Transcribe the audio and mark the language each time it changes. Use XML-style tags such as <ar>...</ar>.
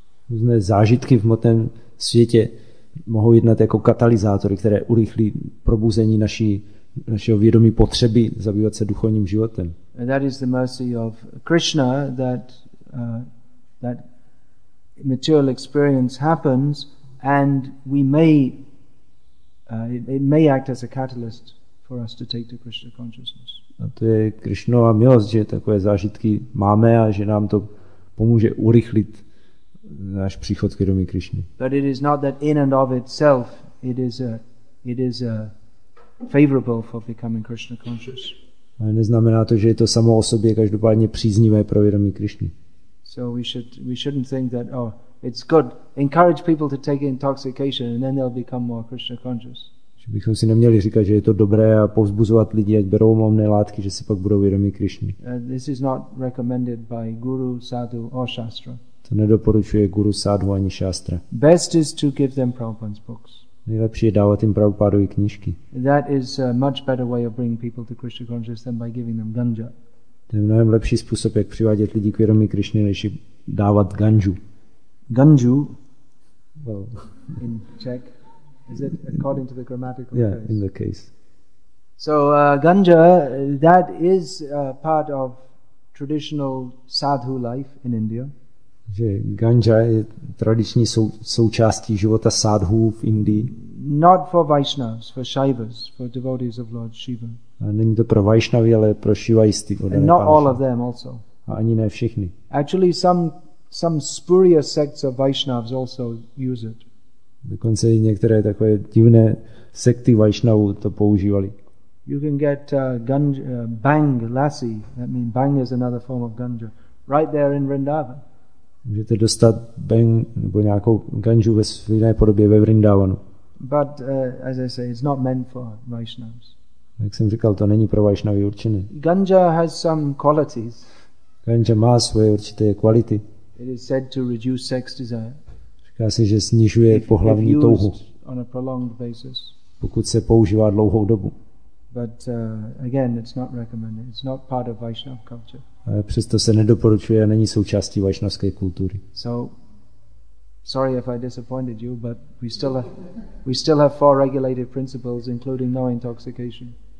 <cs>Různé zážitky v hmotném světě mohou jednat jako katalyzátory, které urychlí probuzení našeho vědomí potřeby zabývat se duchovním životem.</cs> <en>And that is the mercy of Krishna, that that material experience happens and we may it may act as a catalyst for us to take to Krishna consciousness.</en> <cs>A to je Krishnova milost, že takové zážitky máme a že nám to pomůže urychlit náš příchod k vědomí Krishny.</cs> <en>But it is not that in and of itself it is a favorable for becoming Krishna conscious.</en> <cs>Ale neznamená to, že je to samo o sobě každopádně příznivé pro vědomí Krishny.</cs> <en>So we shouldn't think that oh it's good encourage people to take intoxication and then they'll become more Krishna conscious.</en> <cs>Že bychom si neměli říkat, že je to dobré a povzbuzovat lidi, ať berou omamné látky, že si pak budou vědomí Krishny.</cs> <en>This is not recommended by guru, sadhu or shastra.</en> <cs>To nedoporučuje guru, sadhu ani šastra.</cs> <en>Best is to give them Prabhupada's books.</en> <cs>Nejlepší je dávat jim Prabhupádovy knížky.</cs> <en>That is a much better way of bringing people to Krishna consciousness than by giving them ganja.</en> <cs>To je mnohem lepší způsob, jak přivádět lidi k vědomí Krishny, než jim dávat ganju. Ganju?</cs> <en>Well, in Czech. Is it according to the grammatical case? Yeah, in the case. So ganja, that is part of traditional sadhu life in India.</en> <cs>Že ganja je tradiční součástí života sadhu v Indii.</cs> <en>Not for Vaishnavas, for Shaivas, for devotees of Lord Shiva.</en> <cs>A není to pro Vaishnavy, ale pro Shivaisty.</cs> <en>And not all of them also.</en> <cs>A ani ne všichni.</cs> <en>Actually, some spurious sects of Vaishnavas also use it.</en> <cs>Dokonce i některé takové divné sekty Vaishnavů to používali.</cs> <en>You can get ganja, bang lassi. That means bang is another form of ganja. Right there in Vrindavan.</en> <cs>Můžete dostat bang nebo nějakou ganžu ve své podobě ve Vrindavanu.</cs> <en>But as I say, it's not meant for Vaishnavas.</en> <cs>Jak jsem říkal, to není pro Vaishnavy určené.</cs> <en>Ganja has some qualities.</en> <cs>Ganja má svoje určité kvality.</cs> <en>It is said to reduce sex desire.</en> <cs>Říká se, že snižuje pohlavní touhu.</cs> <en>On a prolonged basis.</en> <cs>Pokud se používá dlouhou dobu.</cs> <en>But again, it's not recommended. It's not part of Vaishnav culture.</en> <cs>Přesto se nedoporučuje a není součástí vaishnavské kultury.</cs> <en>So, sorry if I disappointed you, but we still have four regulated principles, including no intoxication.</en>